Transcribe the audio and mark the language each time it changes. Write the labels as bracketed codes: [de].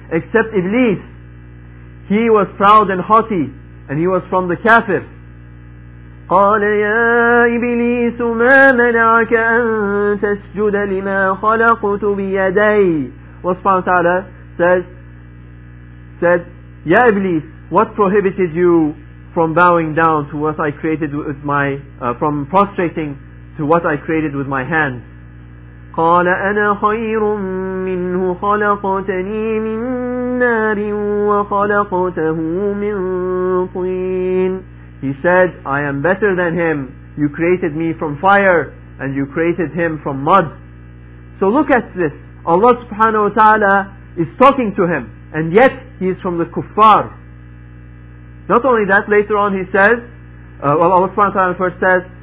[en] Except Iblis, he was proud and haughty, and he was from the kafir. [ar] قال يا إبليس ما منعك أن تسجد لما خلقت بيدي. وسبحانه وتعالى [en] said [ar] يا إبليس, [en] what prohibited you from bowing down to what I created with my from prostrating to what I created with my hands. [ar] قال أنا خير منه خلقتني من نار وخلقته من طين. [en] He said, I am better than him. You created me from fire and you created him from mud. So look at this. Allah subhanahu wa ta'ala is talking to him, and yet he is from the kuffar. Not only that, later on he says, Allah subhanahu wa ta'ala first says,